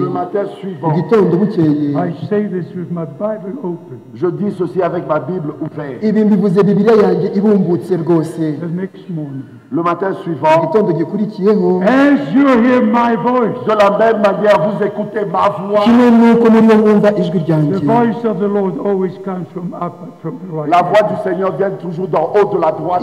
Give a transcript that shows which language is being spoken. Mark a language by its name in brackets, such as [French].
[French] le matin suivant, [English] I say this with my Bible open. [French] Je dis ceci avec ma Bible ouverte. Et bien, vous avez Bible yange, [English] the next morning. [French] Le matin suivant, [English] as you hear my voice, [French] de la même manière, vous écoutez ma voix. [English] The voice of the Lord always comes from up, from the right. [French] La voix du Seigneur vient toujours d'en haut de la droite,